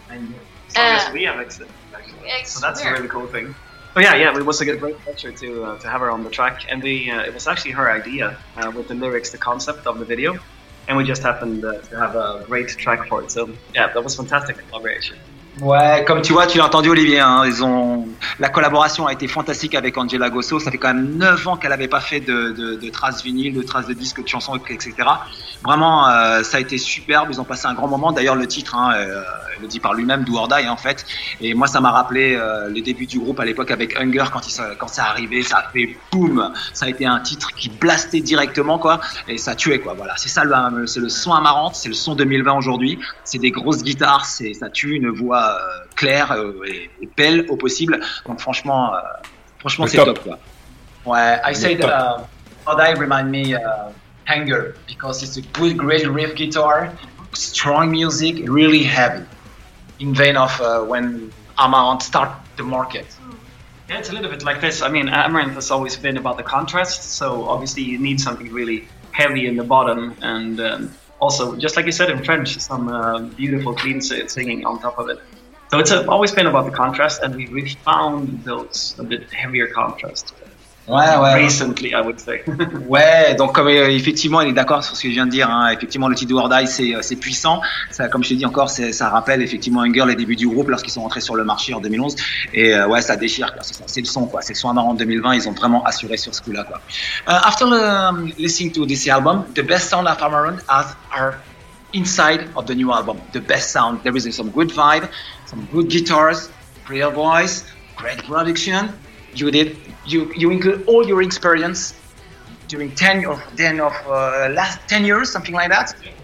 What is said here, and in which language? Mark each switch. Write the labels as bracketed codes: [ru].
[en] As long as we have existed. So that's a really cool thing. But yeah, it was a great pleasure to have her on the track. And it was actually her idea with the lyrics, the concept of the video. And we just happened to have a great track for it. So yeah, that was fantastic collaboration. [fr] Ouais, comme tu vois, tu l'as entendu, Olivier, hein, la collaboration a été fantastique avec Angela Gosso. Ça fait quand même 9 ans qu'elle n'avait pas fait de traces vinyle, de traces de disques, de chansons, etc. Vraiment, ça a été superbe. Ils ont passé un grand moment. D'ailleurs, le titre, hein, le dit par lui-même, Do or Die, en fait. Et moi, ça m'a rappelé le début du groupe à l'époque avec Hunger quand c'est arrivé. Ça a fait boum. Ça a été un titre qui blastait directement, quoi. Et ça tuait, quoi. Voilà. C'est ça, c'est le son Amaranth. C'est le son 2020 aujourd'hui. C'est des grosses guitares. Ça tue une voix claire et belle au possible, donc franchement c'est top. [en] Ouais, I said Oh Die remind me Hunger because it's a good great riff guitar, strong music, really heavy in vein of when Amaranth start the market. Yeah, it's a little bit like this. I mean, Amaranth has always been about the contrast, so obviously you need something really heavy in the bottom. And also, just like you said in French, some beautiful clean singing on top of it. So it's always been about the contrast, and we've found those a bit heavier contrast. [fr] Ouais. [en] Recently, I would say. [fr] Ouais, donc comme effectivement, il est d'accord sur ce que je viens de dire. Hein. Effectivement, le titre Do or Die, c'est puissant. Ça, comme je te dis encore, ça rappelle effectivement Hunger, les débuts du groupe lorsqu'ils sont rentrés sur le marché en 2011. Et ouais, ça déchire. Quoi. C'est le son, quoi. C'est le son Amaranth 2020. Ils ont vraiment assuré sur ce coup-là, quoi. [en] After listening to this album, the best sound of Amaranth are inside of the new album. The best sound. There is some good vibe, some good guitars, clear voice, great production. You did. You include all your experience during 10 years, something like that.